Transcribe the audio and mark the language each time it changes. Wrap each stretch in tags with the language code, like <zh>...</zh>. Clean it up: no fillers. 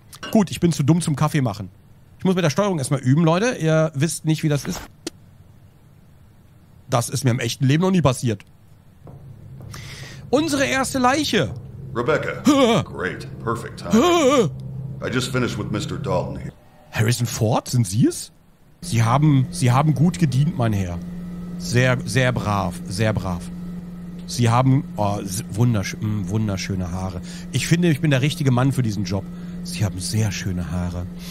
<de>Gut, ich bin zu dumm zum Kaffee machen. Ich muss mit der Steuerung erstmal üben, Leute. Ihr wisst nicht, wie das ist. Das ist mir im echten Leben noch nie passiert. Unsere erste Leiche.</de> <en>Rebecca. Great. Perfect time. I just finished with Mr. Dalton here.</en> <de>Harrison Ford, sind Sie es? Sie haben gut gedient, mein Herr. Sehr, sehr brav, sehr brav. Sie haben wunderschöne Haare. Ich finde, ich bin der richtige Mann für diesen Job. Sie haben sehr schöne Haare.</de>